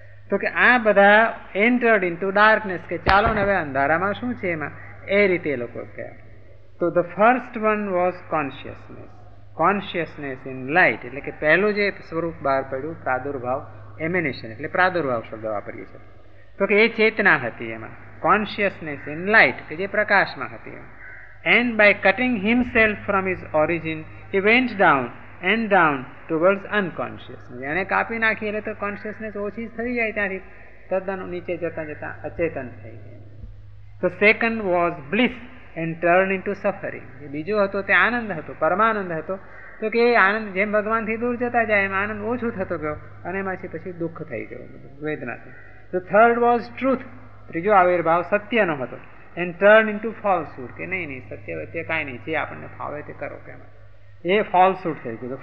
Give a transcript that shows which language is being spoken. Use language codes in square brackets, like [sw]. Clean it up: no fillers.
[gu] તો કે આ બધા [en] entered into darkness, [gu] કે ચાલો ને હવે અંધારામાં શું છે એમાં, એ રીતે એ લોકો કહ્યા. તો [en] the first one was consciousness, consciousness in light, [gu] એટલે કે પહેલું જે સ્વરૂપ બહાર પડ્યું પ્રાદુર્ભાવ, એમેનેશન એટલે પ્રાદુર્ભાવ શબ્દ વાપરીએ છીએ, તો કે એ ચેતના હતી એમાં, [en] consciousness in light, [gu] કે જે પ્રકાશમાં હતી. [en] And by cutting himself from his origin, he went down and down towards unconsciousness. [gu] એને કાપી નાખી એટલે તો કોન્શિયસનેસ ઓછી થઈ જાય, ત્યાંથી તદ્દન નીચે જતાં જતાં અચેતન થઈ ગયું. [en] The second was bliss and turned into suffering. [gu] એ બીજો હતો તે આનંદ હતો, પરમાનંદ હતો. તો કે એ આનંદ જેમ ભગવાનથી દૂર જતા જાય એમ આનંદ ઓછો થતો ગયો, અને એમાંથી પછી દુઃખ થઈ ગયું બધું, વેદનાથી. [en] The third was truth, [gu] ત્રીજો આવિર્ભાવ સત્યનો હતો. [en] and turn into falsehood, [gu] કે નહીં નહીં સત્ય વચ્ચે કાંઈ નહીં, જે આપણને ફાવે તે કરો, કે એ ફોલ્સહુડ થઈ ગયું.